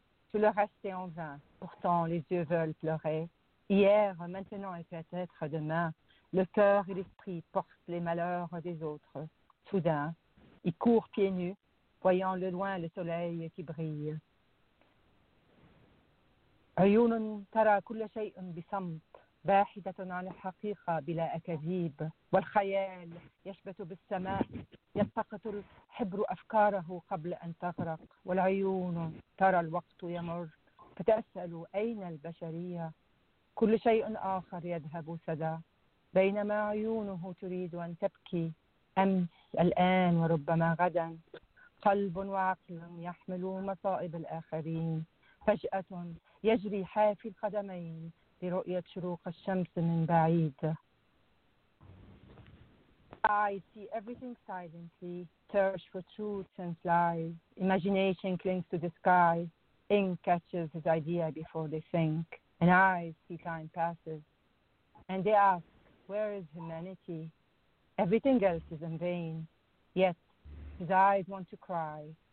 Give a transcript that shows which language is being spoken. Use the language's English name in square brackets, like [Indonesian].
[French] Tout le reste est en vain, pourtant les yeux veulent pleurer. Hier, maintenant et peut-être demain, le cœur et l'esprit portent les malheurs des autres. Soudain, ils courent pieds nus, voyant le loin le soleil qui brille. [Arabic] عيون ترى كل شيء بصمت باحدة عن الحقيقة بلا أكاذيب والخيال يشبت بالسماء يلتقط الحبر أفكاره قبل أن تغرق والعيون ترى الوقت يمر فتسأل أين البشرية كل شيء آخر يذهب سدى بينما عيونه تريد أن تبكي أمس الآن وربما غدا قلب وعقل يحمل مصائب الآخرين فجأة يجري حافي القدمين لرؤية شروق الشمس من بعيد. [English] I see everything silently, thirst for truth and lies. Imagination clings to the sky, ink catches his idea before they sink, and eyes see time passes. And they ask, where is humanity? Everything else is in vain, yet his eyes want to cry.